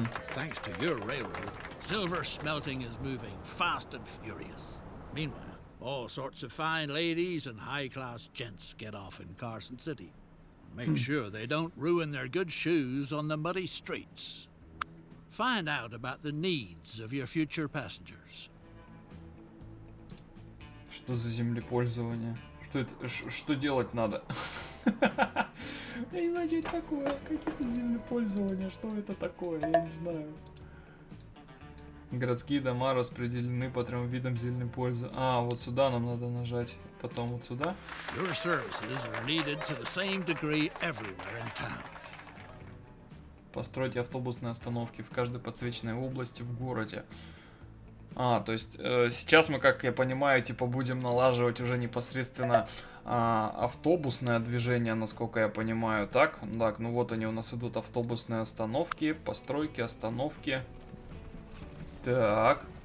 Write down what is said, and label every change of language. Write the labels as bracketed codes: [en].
[en] Thanks to your railroad, silver smelting is moving fast and furious. Meanwhile, all sorts of fine ladies and high-class gents get off in Carson City. Make sure they don't ruin their good shoes on the muddy streets. Find out about the needs of your future passengers. [ru] Что за землепользование? Что это, что делать надо? Я не знаю, что это такое. Какие-то землепользования, что это такое? Я не знаю. Городские дома распределены по трем видам землепользования. А, вот сюда нам надо нажать. Потом вот сюда. [en] Your services are needed to the same degree everywhere in town. [ru] Построить автобусные остановки в каждой подсвеченной области в городе. А, то есть сейчас мы, как я понимаю, типа будем налаживать уже непосредственно автобусное движение, насколько я понимаю, так? Так, ну вот они у нас идут, автобусные остановки, постройки, остановки. Так.